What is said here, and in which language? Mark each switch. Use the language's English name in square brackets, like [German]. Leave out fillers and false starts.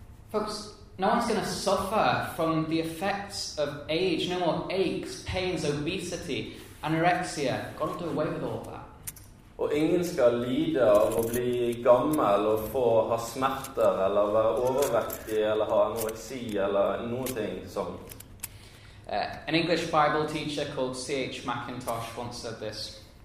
[English] Folks, no one's going to suffer from the effects of age. No more aches, pains, obesity, anorexia. God will do away with all that. [Norwegian] Og ingen skal lide av å bli gammel og få ha smerter eller være overvektig eller ha anoreksi eller noen ting sånt. [English] An English Bible teacher called C.H. McIntosh once said this.